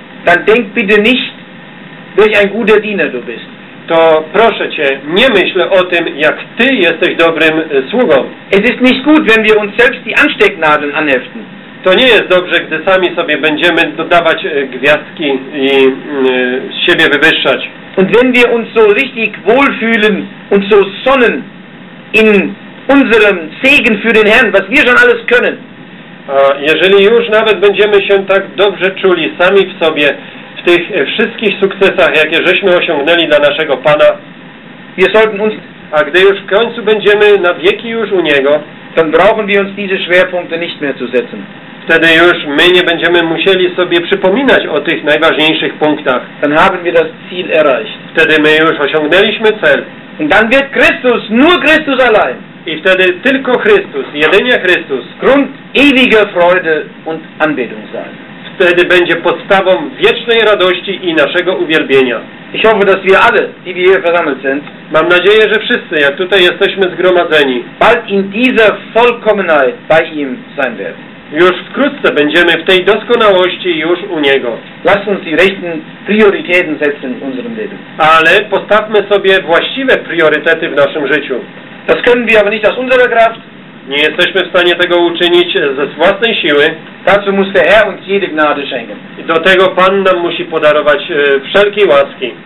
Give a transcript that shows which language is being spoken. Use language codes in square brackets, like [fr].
[de] Dann denk bitte nicht, durch ein guter Diener du bist. [pl] To proszę cię, nie myśl o tym, jak ty jesteś dobrym sługą. [de] Es ist nicht gut, wenn wir uns selbst die Anstecknadeln anheften. [pl] To nie jest dobrze, gdy sami sobie będziemy dodawać gwiazdki i z siebie wywyższać. [de] Und wenn wir uns so richtig wohlfühlen und so sonnen in unserem Segen für den Herrn, was wir schon alles können. [pl] A jeżeli już nawet będziemy się tak dobrze czuli sami w sobie, w tych wszystkich sukcesach, jakie żeśmy osiągnęli dla naszego Pana, [de] wir sollten uns, [pl] a gdy już w końcu będziemy na wieki już u Niego, [de] dann brauchen wir uns diese Schwerpunkte nicht mehr zu setzen. [pl] Wtedy już my nie będziemy musieli sobie przypominać o tych najważniejszych punktach. [de] Dann haben wir das Ziel erreicht. [pl] Wtedy my już osiągnęliśmy cel. [de] Und dann wird Christus, nur Christus allein. [pl] I wtedy tylko Chrystus, jedynie Chrystus, [de] Grund ewiger Freude und Anbetung sein. [pl] Wtedy będzie podstawą wiecznej radości i naszego uwielbienia. [de] Ich hoffe, dass wir alle, die wir hier versammelt sind, [pl] mam nadzieję, że wszyscy, jak tutaj jesteśmy zgromadzeni, [de] bald in dieser Vollkommenheit bei ihm sein werden. [pl] Już wkrótce będziemy w tej doskonałości już u Niego. [de] Lass uns die rechten Prioritäten setzen in unserem Leben. [pl] Ale postawmy sobie właściwe priorytety w naszym życiu. [de] Das können wir aber nicht aus unserer Kraft. [pl] Nie jesteśmy w stanie tego uczynić ze własnej siły. [de] Dazu muss der Herr uns jede Gnade schenken. [pl] Do tego Pan nam musi podarować wszelkie łaski.